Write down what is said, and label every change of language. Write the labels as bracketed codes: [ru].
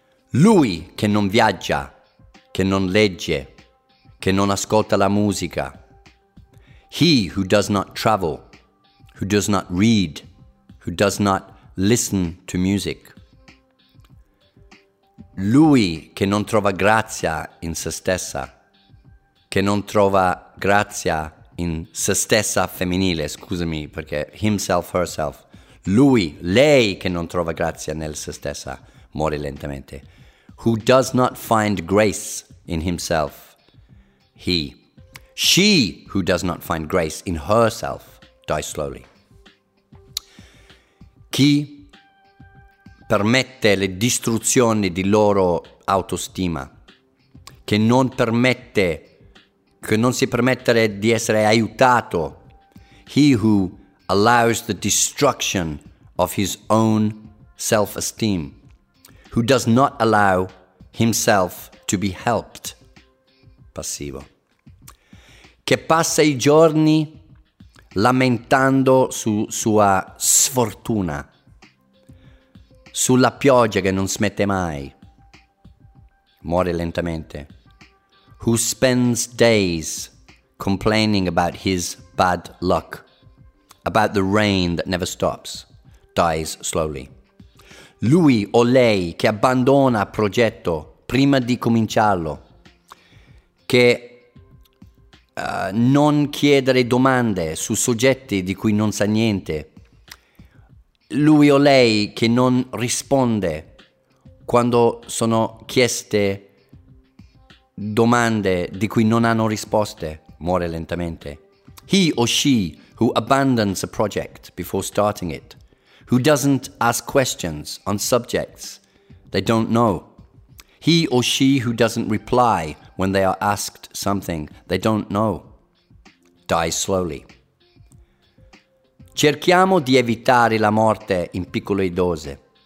[it] Lui che non viaggia, che non legge, che non ascolta la musica. [en] He who does not travel, who does not read, who does not listen to music. [it] Lui che non trova grazia in se stessa, che non trova grazia in se stessa femminile, scusami, perché [en] himself, herself. [it] Lui, lei che non trova grazia nel se stessa, muore lentamente. [en] Who does not find grace in himself, he. She who does not find grace in herself, dies slowly. [it] Chi permette le distruzioni di loro autostima, che non si permette di essere aiutato. [en] He who allows the destruction of his own self-esteem, who does not allow himself to be helped. [it] Passivo. Che passa i giorni lamentando su sua sfortuna, sulla pioggia che non smette mai. Muore lentamente. [en] Who spends days complaining about his bad luck, about the rain that never stops, dies slowly. [it] Lui o lei che abbandona progetto prima di cominciarlo, che non chiedere domande su soggetti di cui non sa niente, lui o lei che non risponde quando sono chieste domande di cui non hanno risposte, muore lentamente. [en] He or she who abandons a project before starting it, who doesn't ask questions on subjects they don't know. He or she who doesn't reply when they are asked something they don't know, dies slowly. [it] Cerchiamo di evitare la morte in piccole dose.